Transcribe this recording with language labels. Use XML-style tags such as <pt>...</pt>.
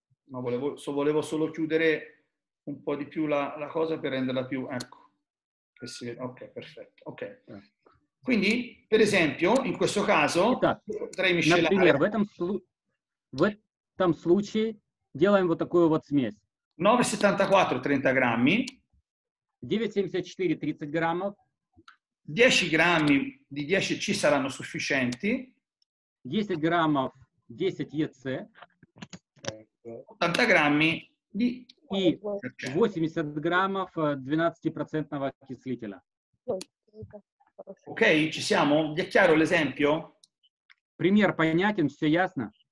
<it>No, volevo solo chiudere un po' di più la cosa per renderla più, ecco. Che si vede. Ok, perfetto. Ok. Quindi, per esempio, in questo caso, potrei miscelare.</it> <ru>Например, в этом случае делаем вот такую вот смесь.</ru> <it>9,74 30 grammi. 9,74 30</it> <ru>граммов.</ru> <it>10 grammi di 10C saranno sufficienti.</it> <ru>10 граммов 10 ЕЦ. 80 граммов и 80 граммов 12% окислителя.</ru> <it>Окей, ci siamo? È chiaro l'esempio?</it> <ru>Пример понятен, все ясно?</ru>